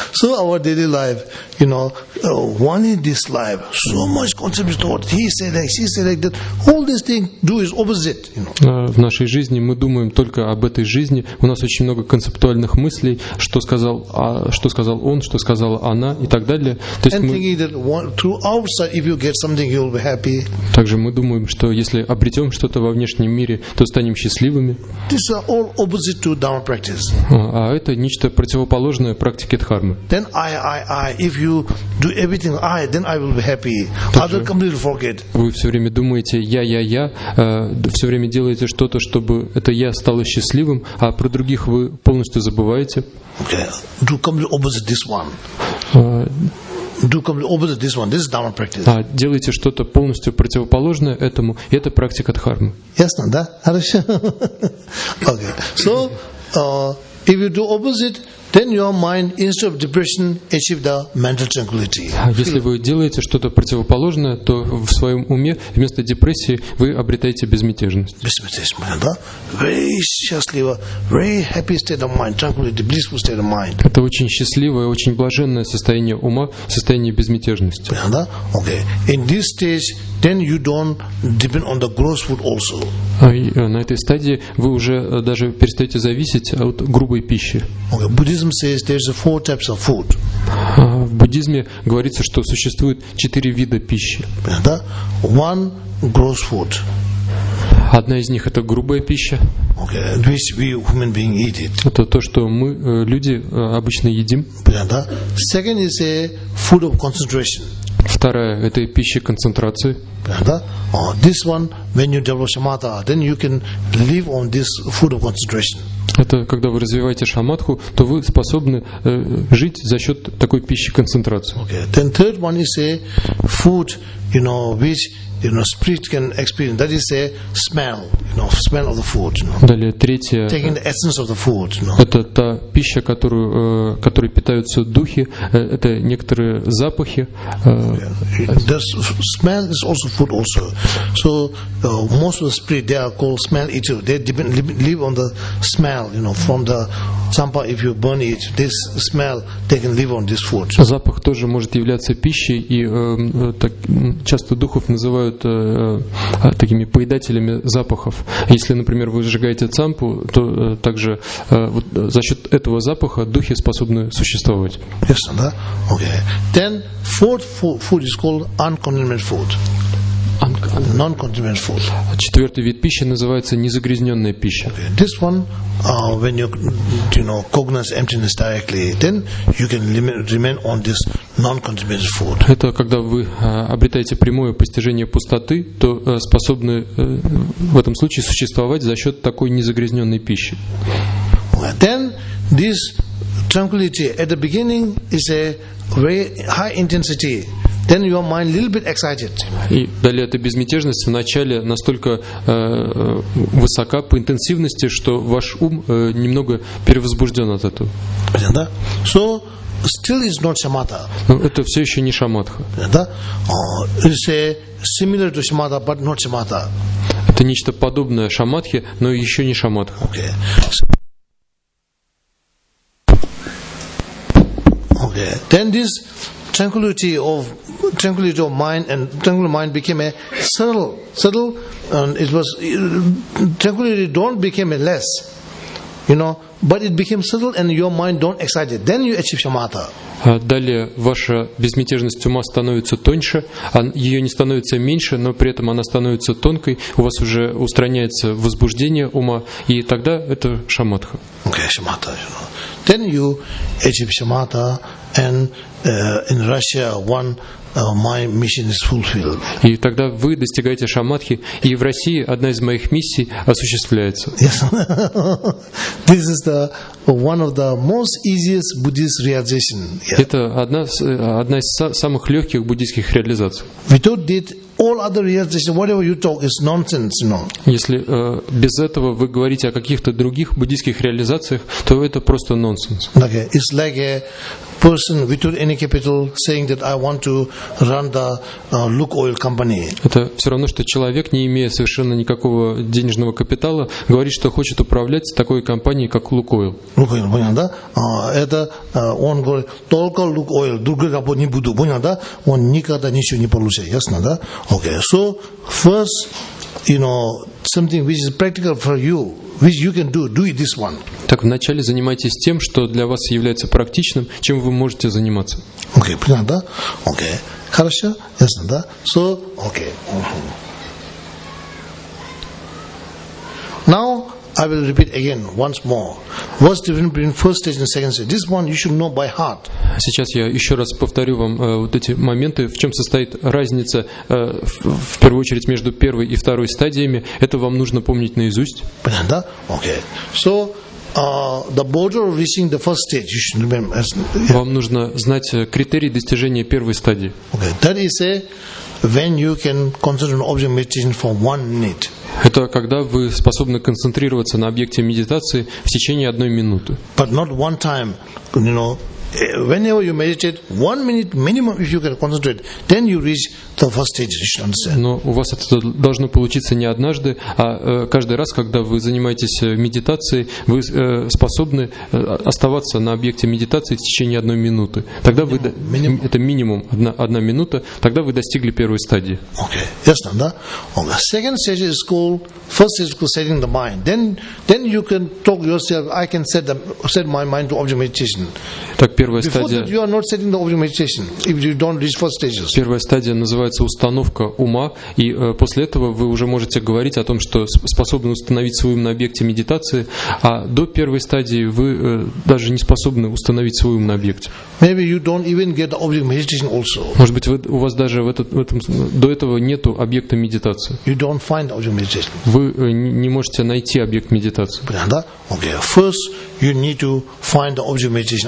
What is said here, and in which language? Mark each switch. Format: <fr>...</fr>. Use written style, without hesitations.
<en>So our daily life, you know, one in this life, so much contribution to what he said, like, she said, like, that all these things do is opposite, you know.</en> <ru>В нашей жизни мы думаем только об этой жизни, у нас очень много концептуальных мыслей, что сказал он, что сказала она и так далее. То есть and мы...</ru> <en>thinking that one, through outside, if you get something, you'll be happy.</en> <ru>Также мы думаем, что если обретем что-то во внешнем мире, то станем счастливыми.</ru> <en>These are all opposite to Dharma practice.</en> <ru>А это нечто противоположное практике Дхармы.</ru> <en>Then I, if you do everything I, then I will be happy. Other completely forget.</en> <ru>Вы все время думаете я, все время делаете что-то, чтобы это я стало счастливым, а про других вы полностью забываете.</ru> <en>Okay, do completely opposite this one. Do completely opposite this one. This is Dharma practice.</en> <ru>А делайте что-то полностью противоположное этому, и это практика Дхармы. Ясно, да? Хорошо.</ru> <en>Okay. So, if you do opposite, then your mind, instead of depression, achieves the mental tranquility.</en> <ru>Если вы делаете что-то противоположное, то в своем уме вместо депрессии вы обретаете безмятежность. Безмятежность, да?</ru> <en>Very</en> <ru>счастливо,</ru> <en>very happy state of mind, tranquility, blissful state of mind.</en> <ru>Это очень счастливое, очень блаженное состояние ума, состояние безмятежности. Да? Okay.</ru> <en>In this stage, then you don't depend on the gross food also.</en> <ru>На этой стадии вы уже даже перестаете зависеть от грубой пищи.</ru> <en>Buddhism says there's four types of food.</en> <ru>В буддизме говорится, что существует четыре вида пищи.</ru> <en>Да? One gross food.</en> <ru>Одна из них это грубая пища.</ru> <en>Okay. Which we human being eat it.</en> <ru>Это то, что мы люди обычно едим.</ru> <en>Да? Second is a food of concentration.</en> <ru>Вторая это пища концентрации. Да?</ru> <en>This one when you develop samatha, then you can live on this food of concentration.</en> <ru>Это когда вы развиваете шамадху, то вы способны жить за счет такой пищи концентрации. Okay.</ru> <en>Then third one is a food, you know, which you know spirit can experience. That is a smell, you know, smell of the food. You know.</en> <ru>Далее третье.</ru> <en>Taking the essence of the food. You know.</en> <ru>Это та пища, которую, которой питаются духи. Это некоторые запахи.</ru> <en>The smell is also food also. So most of the spirit they are called smell eater. They depend, live on the smell, you know, from the sampa. If you burn it, this smell they can live on this food.</en> <ru>Запах тоже может являться пищей и так, часто духов называют такими поедателями запахов. Если, например, вы сжигаете цампу, то также вот, за счет этого запаха духи способны существовать.</ru> <en>Yes, да? Okay. Then fourth food is called uncontaminated food. Non-contaminated food.</en> <ru>Четвертый вид пищи называется незагрязненная пища. Okay.</ru> <en>This one, when you, you know, cognize emptiness directly, then you can remain on this non-contaminated food.</en> <ru>Это когда вы обретаете прямое постижение пустоты, то способны в этом случае существовать за счет такой незагрязненной пищи. Okay.</ru> <en>Then this tranquility at the beginning is a very high intensity. Then your mind a little bit excited.</en> <ru>И далее эта безмятежность вначале настолько высока по интенсивности, что ваш ум немного перевозбужден от этого.</ru> <en>Yeah, да? So still is not samatha.</en> <ru>Но это все еще не шамадха. Yeah, да?</ru> <en>It's a similar to samatha, but not samatha.</en> <ru>Это нечто подобное шамадхе, но еще не шамадха. Okay. Okay.</ru> <en>Then this tranquility of mind and tranquility of mind became a subtle and it was tranquility don't became a less, you know, but it became subtle and your mind don't excite it, then you achieve shamatha.</en> <ru>Далее ваша безмятежность ума становится тоньше, ее не становится меньше, но при этом она становится тонкой, у вас уже устраняется возбуждение ума, и тогда это шамадха.</ru> <en>Okay, shamatha, you know. Then you achieve shamatha. And in Russia, one my mission is fulfilled.</en> <ru>И тогда вы достигаете шамадхи, и в России одна из моих миссий осуществляется. Yes.</ru> <en>This is the one of the most easiest Buddhist realization.</en> <ru>Это одна из самых легких буддийских реализаций.</ru> <en>We thought that all other years, they say, whatever you talk is nonsense, you know.</en> <ru>Если без этого вы говорите о каких-то других буддийских реализациях, то это просто нонсенс.</ru> <en>Okay, it's like a person without any capital saying that I want to run the Lukoil company.</en> <ru>Это все равно, что человек, не имея совершенно никакого денежного капитала, говорит, что хочет управлять такой компанией, как Lukoil. Lukoil, понял, да? Это он говорит, только Lukoil, другой работы не буду, понял, да? Он никогда ничего не получит, ясно, да?</ru> <en>Okay, so first, you know, something which is practical for you, which you can do, do it this one.</en> <ru>Так вначале занимайтесь тем, что для вас является практичным, чем вы можете заниматься. Okay, понял, да? Okay, хорошо, ясно, да? So, okay.</ru> <en>Now, I will repeat again, once more. What's the difference between first stage and second stage? This one you should know by heart.</en> <ru>Сейчас я еще раз повторю вам вот эти моменты. В чем состоит разница в первую очередь между первой и второй стадиями? Это вам нужно помнить наизусть. Понятно, да? Okay.</ru> <en>So, the border of reaching the first stage, you should remember. Yeah.</en> <ru>Вам нужно знать критерии достижения первой стадии. Okay.</ru> <en>That is a when you can concentrate on object meditation for 1 minute.</en> <ru>Это когда вы способны концентрироваться на объекте медитации в течение 1 минуты.</ru> <en>But not one time, you know. Whenever you meditate, 1 minute minimum, if you can concentrate, then you reach the first stage. You should understand.</en> <ru>Но у вас это должно получиться не однажды, а каждый раз, когда вы занимаетесь медитацией, вы способны оставаться на объекте медитации в течение 1 минуты. Тогда минимум. Это минимум 1 минута. Тогда вы достигли первой стадии.</ru> <en>Okay,</en> <ru>ясно, да?</ru> <en>Okay. Second stage is called first stage is called setting the mind. Then you can talk yourself. I can set my mind to object meditation.</en> <ru>Так, первая стадия.</ru> <en>Before that, you are not setting the object meditation if you don't reach first stages.</en> <ru>Первая стадия называется установка ума, и после этого вы уже можете говорить о том, что способны установить свой ум на объекте медитации, а до первой стадии вы даже не способны установить свой ум на объекте.</ru> <en>Maybe you don't even get the object meditation also.</en> <ru>Может быть, у вас даже до этого нету объекта медитации.</ru> <en>You don't find the object meditation.</en> <ru>Вы не можете найти объект медитации. Да? Okay.</ru> <en>First, you need to find the object meditation.</en>